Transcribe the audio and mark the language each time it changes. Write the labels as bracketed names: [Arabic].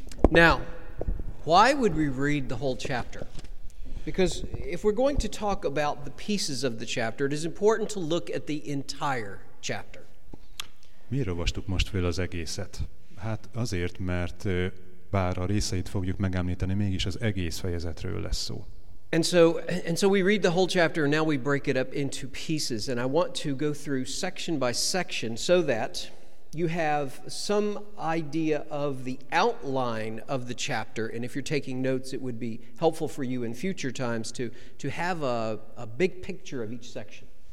[English] Now, why would we read the whole chapter? Because if we're going to talk about the pieces of the chapter, it is important to look at the entire chapter. [Hungarian] Miért olvastuk most fel az egészet? Hát azért, mert bár a részeit fogjuk megemlíteni, mégis az egész fejezetről lesz szó. [English] And so we read the whole chapter, and now we break it up into pieces, and I want to go through section by section so that you have some idea of the outline of the chapter, and if you're taking notes, it would be helpful for you in future times to have a big picture of each section.